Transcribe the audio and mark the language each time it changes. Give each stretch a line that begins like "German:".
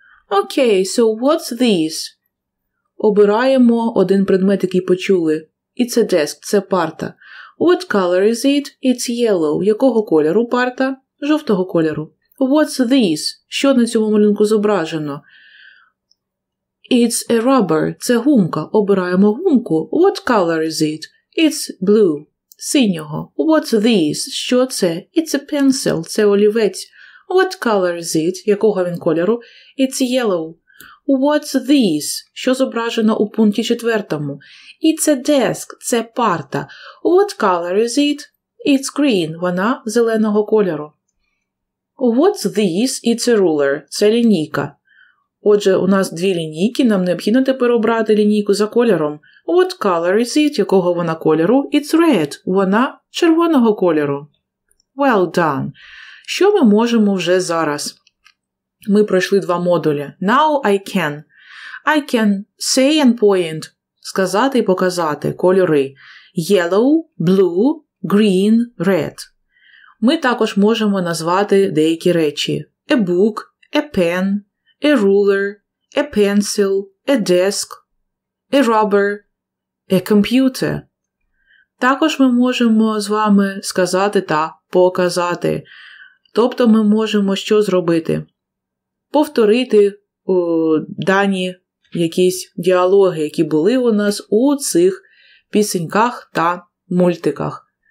English: Окей, so what's this?
Ukrainian: Обираємо один предмет, який почули.
English: It's a desk,
Ukrainian: це парта.
English: What color is it? It's yellow.
Ukrainian: Якого кольору парта? Жовтого кольору.
English: What's this?
Ukrainian: Що на цьому малюнку зображено?
English: It's a rubber,
Ukrainian: це гумка. Обираємо гумку.
English: What color is it? It's blue.
Ukrainian: Синього.
English: What's this?
Ukrainian: Що це?
English: It's a pencil.
Ukrainian: Це олівець.
English: What color is it?
Ukrainian: Якого він кольору?
English: It's yellow. What's this?
Ukrainian: Що зображено у пункті четвертому?
English: It's a desk.
Ukrainian: Це парта.
English: What color is it? It's green.
Ukrainian: Вона зеленого кольору.
English: What's this? It's a ruler.
Ukrainian: Це лінійка. Отже, у нас дві лінійки, нам необхідно тепер обрати лінійку за кольором.
English: What color is it?
Ukrainian: Якого вона кольору?
English: It's red.
Ukrainian: Вона червоного кольору.
English: Well done.
Ukrainian: Що ми можемо вже зараз? Ми пройшли два модулі.
English: Now I can say and point.
Ukrainian: Сказати і показати кольори.
English: Yellow, blue, green, red.
Ukrainian: Ми також можемо назвати деякі речі.
English: A book, a pen, a ruler, a pencil, a desk, a rubber, a computer.
Ukrainian: Також ми можемо з вами сказати та показати. Тобто ми можемо що зробити? Повторити дані якісь діалоги, які були у нас у цих пісеньках та мультиках.